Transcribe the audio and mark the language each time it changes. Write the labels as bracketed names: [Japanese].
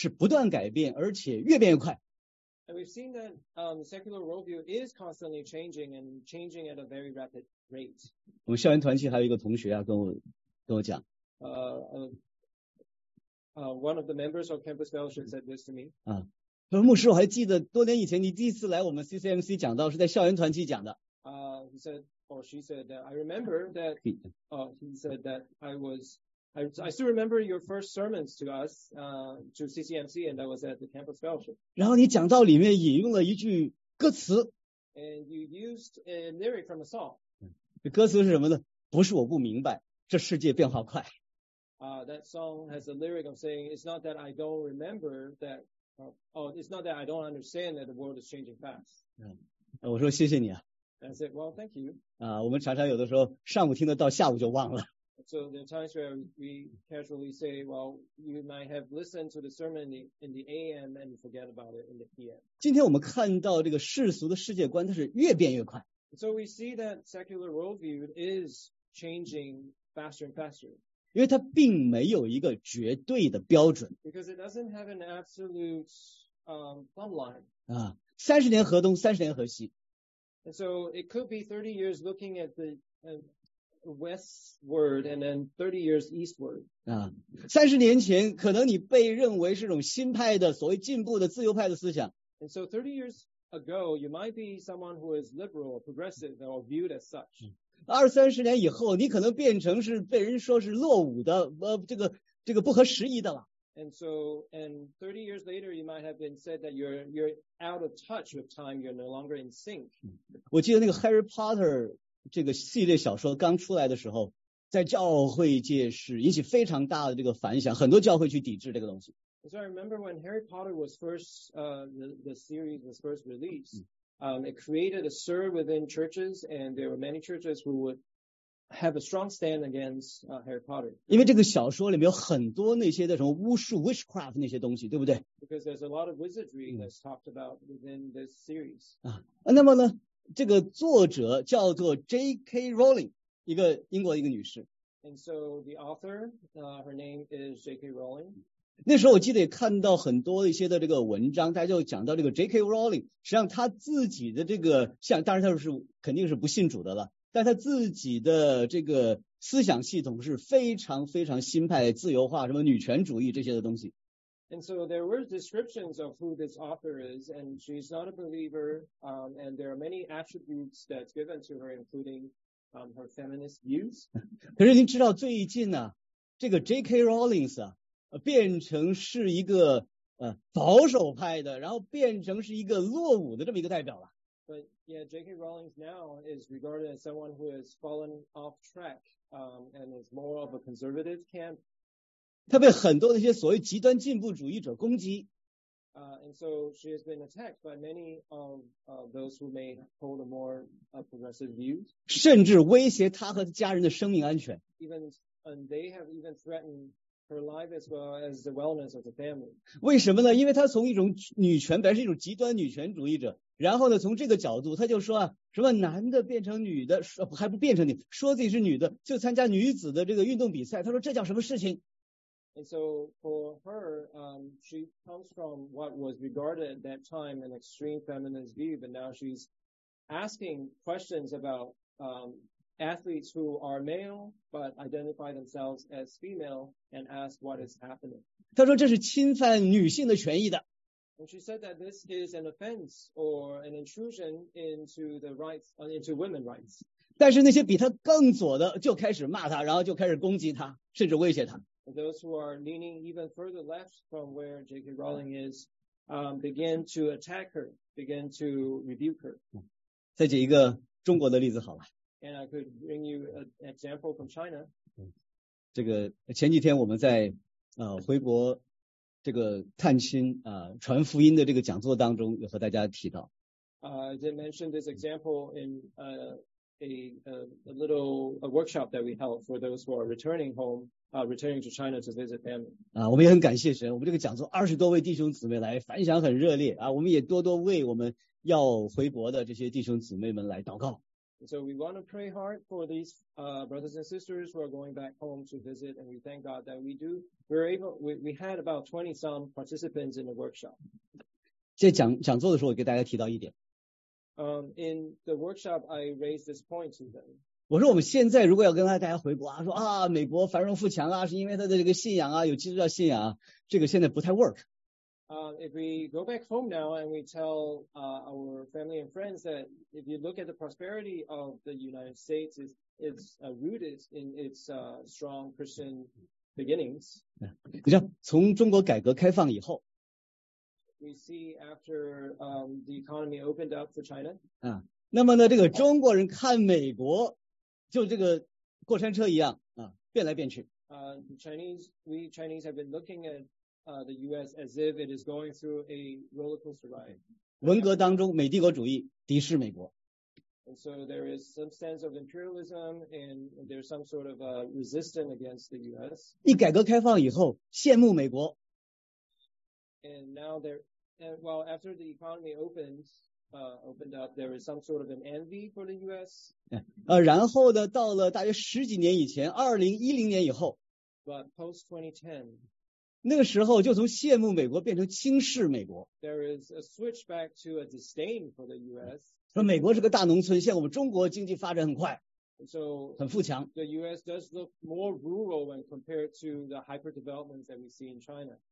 [Chinese] 今天我们看到世俗的世界观是不断改变，而且越变越快。 [English] And we've seen that secular worldview is constantly changing and changing at a very rapid rate. [Chinese] 我们校园团契还有一个同学啊，跟我讲。 [English] One of the members of Campus Fellowship said this to me. [Chinese] 他说牧师，我还记得多年以前你第一次来我们 CCMC 讲道是在校园团契讲的。 [English] He said, or she said that I remember that. He said that I still remember your first sermons to us, to CCMC, and that was at the Campus Fellowship. [Chinese] 然后你讲道里面引用了一句歌词. [English] And you used a lyric from a song. [Chinese] 这歌词是什么呢? 不是我不明白，这世界变化快. [English] That song has a lyric of saying, "It's not that I don't remember that. It's not that I don't understand that the world is changing fast." [Chinese] 嗯，我说谢谢你啊。 [English] I said, well, thank you. [Chinese] 啊，我们常常有的时候上午听的到下午就忘了。 [English] So there are times where we casually say, well, you might have listened to the sermon in the AM and forget about it in the PM. [Chinese] 今天我们看到这个世俗的世界观它是越变越快。 [English] So we see that secular worldview is changing faster and faster. [Chinese] 因为它并没有一个绝对的标准。 [English] Because it doesn't have an absolute, thumb line. [Chinese] 啊，三十年河东，三十年河西。 [English] And so it could be 30 years looking at the, westward and then 30 years eastward. [Chinese] 啊，三十年前可能你被认为是一种新派的所谓进步的自由派的思想。 [English] And so 30 years ago, you might be someone who is liberal or progressive or viewed as such. [Chinese] 二三十年以后你可能变成是被人说是落伍的这个不合时宜的了。 [English] And so, and 30 years later, you might have been said that you're out of touch with time, you're no longer in sync. [Chinese] 我记得那个 Harry Potter 这个系列小说刚出来的时候，在教会界是引起非常大的这个反响，很多教会去抵制这个东西。 [English] So I remember when Harry Potter was first, the series was first released, it created a stir within churches, and there were many churches who would have a strong stand against, Harry Potter. [Chinese] 因为这个小说里面有很多那些的什么巫术 witchcraft 那些东西，对不对？ [English] Because there's a lot of wizardry that's talked about within this series. [Chinese] 啊，那么呢，这个作者叫做 J.K. Rowling， 一个英国的一个女士。 [English] And so the author, her name is J.K. Rowling. [Chinese] 那时候我记得也看到很多一些的这个文章，大家就讲到这个 J.K. Rowling， 实际上他自己的这个像，当然他是肯定是不信主的了。但他自己的这个思想系统是非常非常新派自由化什么女权主义这些的东西。 [English] And so there were descriptions of who this author is, and she's not a believer, and there are many attributes that's given to her, including, her feminist views. [Chinese] 可是您知道最近呢、啊、这个 J.K. Rowlings 啊变成是一个保守派的，然后变成是一个落伍的这么一个代表了。 [English] But yeah, J.K. Rowling now is regarded as someone who has fallen off track, and is more of a conservative camp. [Chinese] 她被很多那些所谓极端进步主义者攻击。 [English] And so she has been attacked by many of, those who may hold a more, progressive views. [Chinese] 甚至威胁她和家人的生命安全。 [English] Even, and they have even threatened her life as well as the wellness of the family. [Chinese] 为什么呢？因为她从一种女权，本来是一种极端女权主义者。然后呢从这个角度他就说啊什么男的变成女的还不变成你说自己是女的就参加女子的这个运动比赛他说这叫什么事情。 [English] And so for her, she comes from what was regarded at that time an extreme feminist view, but now she's asking questions about, athletes who are male, but identify themselves as female and ask what is happening. [Chinese] 他说这是侵犯女性的权益的。 [English] And she said that this is an offense or an intrusion into the rights, into women's rights. [Chinese] 但是那些比他更左的就开始骂他，然后就开始攻击他，甚至威胁他。 [English] Those who are leaning even further left from where J.K. Rowling is, begin to attack her, begin to rebuke her. [Chinese] 再举一个中国的例子好了。 [English] And I could bring you an example from China. [Chinese] 这个前几天我们在回国这个探亲传福音的这个讲座当中，有和大家提到。 [English] I did mention this example in a little a workshop that we held for those who are returning home, returning to China to visit family. [Chinese] 我们也很感谢神，我们这个讲座二十多位弟兄姊妹来，反响很热烈啊。我们也多多为我们要回国的这些弟兄姊妹们来祷告。 [English] So we want to pray hard for these, brothers and sisters who are going back home to visit, and we thank God that we had about 20 some participants in the workshop. [Chinese] 在讲座的时候我给大家提到一点。 [English] In the workshop, I raised this point to them. [Chinese] 我说我们现在如果要跟大家回国啊说啊美国繁荣富强啊是因为他的这个信仰啊有基督教信仰啊这个现在不太 work。 [English] If we go back home now and we tell, our family and friends that if you look at the prosperity of the United States, it's rooted in its, strong Christian beginnings. [Chinese] 你知道从中国改革开放以后 [English] we see after, the economy opened up for China. [Chinese] 那么呢这个中国人看美国就这个过山车一样变来变去。 [English] We Chinese have been looking at the U.S. as if it is going through a roller coaster ride. [Chinese] 文革当中，美帝国主义敌视美国。 [English] And so there is some sense of imperialism, and there's some sort of resistance against the U.S. [Chinese] 一改革开放以后，羡慕美国。 [English] And now there, well, after the economy opens, opened up, there is some sort of an envy for the U.S. [Chinese] 然后呢，到了大约十几年以前，2010年以后。 [English] But post 2010. [Chinese] 那个时候就从羡慕美国变成轻视美国。 [English] There is a switch back to a disdain for the U.S. [Chinese] 说美国是个大农村，现在我们中国经济发展很快，很富强。 [English] So, the U.S. does look more rural when compared to the hyper developments that we see in China.